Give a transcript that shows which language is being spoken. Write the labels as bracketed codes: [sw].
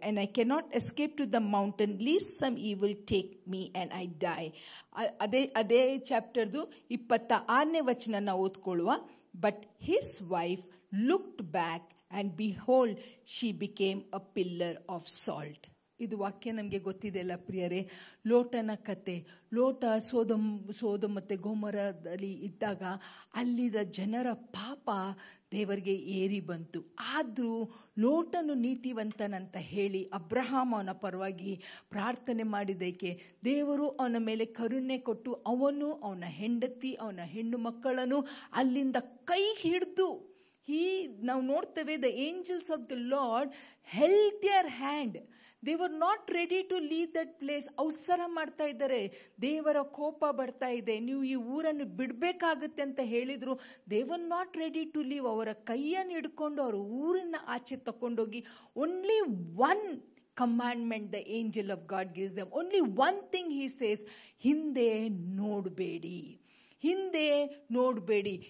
[en] And I cannot escape to the mountain, lest some evil take me and I die. [kn] Adhe chapter du 26ne vachana na odkolva. [en] But his wife looked back, and behold, she became a pillar of salt. [kn] ಇದು ವಾಕ್ಯ ನಮಗೆ ಗೊತ್ತಿದೆ ಅಲ್ಲ ಪ್ರಿಯರೇ, ಲೋಟನ ಕತೆ. ಲೋಟ ಸೋದೊಮ್ ಮತ್ತು ಗೋಮರದಲ್ಲಿ ಇದ್ದಾಗ ಅಲ್ಲಿದ್ದ ಜನರ ಪಾಪ ದೇವರಿಗೆ ಏರಿ ಬಂತು. ಆದರೂ ಲೋಟನು ನೀತಿವಂತನಂತ ಹೇಳಿ ಅಬ್ರಹಾಮ್ ಅವನ ಪರವಾಗಿ ಪ್ರಾರ್ಥನೆ ಮಾಡಿದ್ದಕ್ಕೆ ದೇವರು ಅವನ ಮೇಲೆ ಕರುಣೆ ಕೊಟ್ಟು ಅವನು, ಅವನ ಹೆಂಡತಿ, ಅವನ ಹೆಣ್ಣು ಮಕ್ಕಳನ್ನು ಅಲ್ಲಿಂದ ಕೈ ಹಿಡಿದು ನಾವು ನೋಡ್ತೇವೆ, [en] The angels of the lord held their hand. They were not ready to leave that place. [kn] ಅವಸರ ಮಾಡ್ತಾ ಇದ್ದಾರೆ, ದೇವರ ಕೋಪ ಬರ್ತಾ ಇದೆ, ನೀವು ಈ ಊರನ್ನು ಬಿಡಬೇಕಾಗುತ್ತೆ ಅಂತ ಹೇಳಿದ್ರು. [en] They were not ready to leave. [kn] ಅವರ ಕೈಯನ್ನು ಹಿಡ್ಕೊಂಡು ಅವರ ಊರಿನ ಆಚೆ ತಕೊಂಡೋಗಿ, [en] only one commandment the angel of God gives them, only one thing he says, [kn] ಹಿಂದೆ ನೋಡಬೇಡಿ, ಹಿಂದೆ ನೋಡಬೇಡಿ.